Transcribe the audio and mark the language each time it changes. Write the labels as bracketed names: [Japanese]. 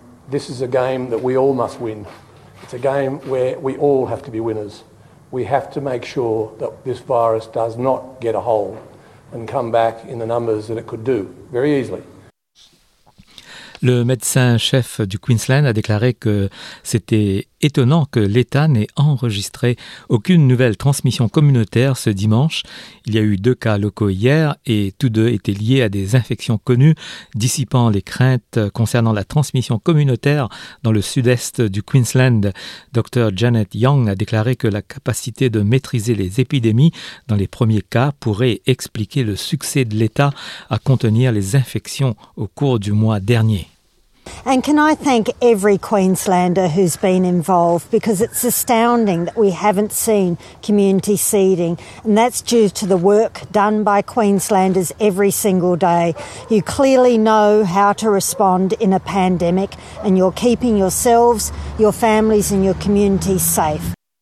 [English] This is a game that we all must win. It's a game where we all have to be winners. We have to make sure that this virus does not get a hold and come back in the numbers that it could do very easily. [French] Le médecin-chef du Queensland a déclaré que c'était étonnant que l'État n'ait enregistré aucune nouvelle transmission communautaire ce dimanche. Il y a eu 2 cas locaux hier et tous deux étaient liés à des infections connues, dissipant les craintes concernant la transmission communautaire dans le sud-est du Queensland. Dr Janet Young a déclaré que la capacité de maîtriser les épidémies dans les premiers cas pourrait expliquer le succès de l'État à contenir les infections au cours du mois dernier. [English] And can I thank every Queenslander who's been involved, because it's astounding that we haven't seen community seeding, and that's due to the work done by Queenslanders every single day. You clearly know how to respond in a pandemic and you're keeping yourselves, your families and your communities safe.